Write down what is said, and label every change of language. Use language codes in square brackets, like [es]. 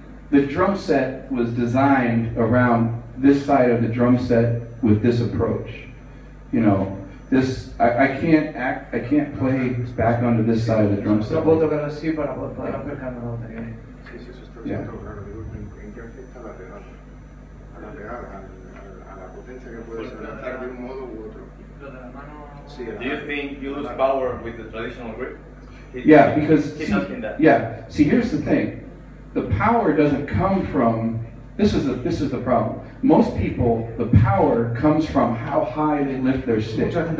[en] The drum set was designed around this side of the drum set with this approach. You know, this I can't play back onto this side of the drum set. [es] No puedo tocar así para poder acercarme a la batería. Sí, eso está siendo claro. ¿En qué afecta la pegada? A la pegada, a la potencia que puedes lanzar de un modo u otro. [en] Do you think you lose power with the traditional grip? Yeah, because see, here's the thing. The power doesn't come from, this is the problem. Most people, the power comes from how high they lift their stick.